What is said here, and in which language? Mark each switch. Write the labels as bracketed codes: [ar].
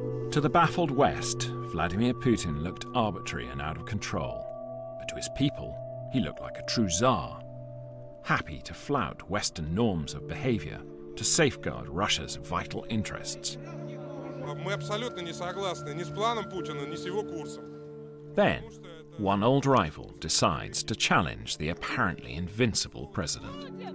[en] To the baffled West, Vladimir Putin looked arbitrary and out of control, but to his people, he looked like a true czar, happy to flout Western norms of behavior to safeguard Russia's vital interests. [ru] Мы абсолютно не согласны ни с планом Путина, ни с его курсом. [en] Then, one old rival decides to challenge the apparently invincible president.